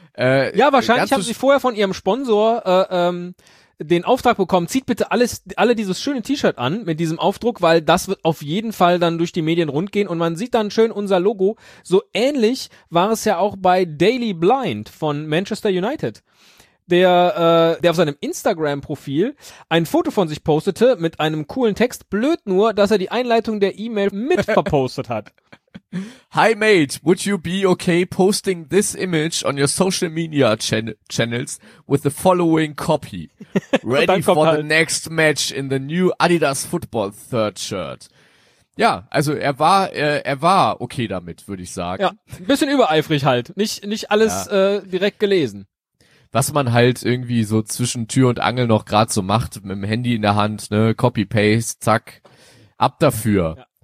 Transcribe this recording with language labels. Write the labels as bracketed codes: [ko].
[de] Ja, wahrscheinlich haben sie vorher von ihrem Sponsor den Auftrag bekommen, zieht bitte alle dieses schöne T-Shirt an mit diesem Aufdruck, weil das wird auf jeden Fall dann durch die Medien rund gehen und man sieht dann schön unser Logo. So ähnlich war es ja auch bei Daily Blind von Manchester United, der auf seinem Instagram-Profil ein Foto von sich postete mit einem coolen Text. Blöd nur, dass er die Einleitung der E-Mail mit verpostet hat. [en] Hi mate, would you be okay posting this image on your social media channels with the following copy? Ready for [de] halt [en] the next match in the new Adidas Football third shirt. [de] Ja, also er war okay damit, würde ich sagen. Ja, ein bisschen übereifrig halt. Nicht alles direkt gelesen. Was man halt irgendwie so zwischen Tür und Angel noch gerade so macht, mit dem Handy in der Hand, ne, Copy-Paste, zack, ab dafür. Ja.